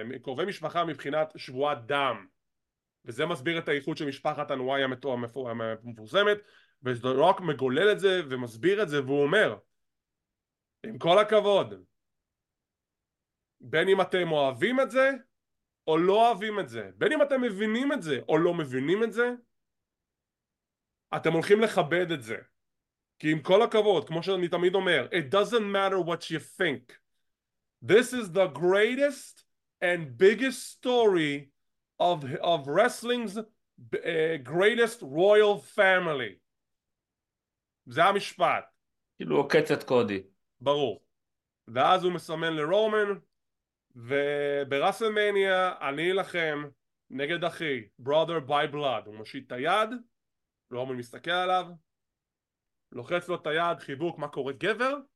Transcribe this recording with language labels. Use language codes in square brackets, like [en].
[he] הם קרובי משפחה מבחינת שבועת דם. וזה מסביר את האיחוד של משפחת הנוואי המפורסמת, ודה-רוק מגולל את זה ומסביר את זה והוא אומר, עם כל הכבוד, בין אם אתם אוהבים את זה או לא אוהבים את זה, בין אם אתם מבינים את זה או לא מבינים את זה, אתם הולכים לכבד את זה. כי עם כל הכבוד, כמו שאני תמיד אומר, [en] it doesn't matter what you think. This is the greatest and biggest story of wrestling's greatest royal family. [he] זה המשפט. כאילו עוקץ את קודי. ברור. ואז הוא מסמן לרומן, וברסלמניה אני אלחם נגד אחי, [en] brother by blood. [he] הוא מושיט את היד, רומן מסתכל עליו, לוחץ לו את היד, חיבוק, מה קורה גבר?